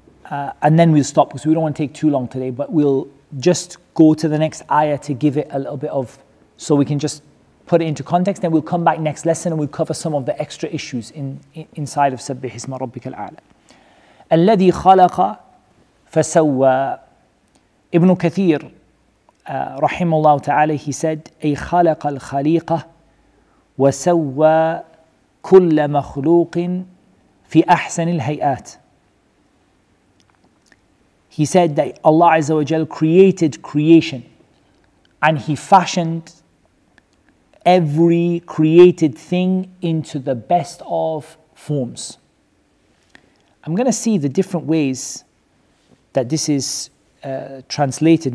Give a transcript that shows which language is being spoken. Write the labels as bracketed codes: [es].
[en] And then we'll stop because we don't want to take too long today, but we'll just go to the next ayah to give it a little bit of, so we can just put it into context. Then we'll come back next lesson and we'll cover some of the extra issues inside of [ar] سَبِّحِ اسْمَ رَبِّكَ الْأَعْلَى. الَّذِي خَلَقَ فَسَوَّى. Ibn Kathir, rahimahullah ta'ala, [en] he said, [ar] أَيْ خَلَقَ الْخَلِيقَةِ وَسَوَّى كُلَّ مَخْلُوقٍ فِي أَحْسَنِ الْهَيْئَاتِ. [en] He said that Allah Azza wa Jal created creation and He fashioned every created thing into the best of forms. I'm going to see the different ways that this is translated.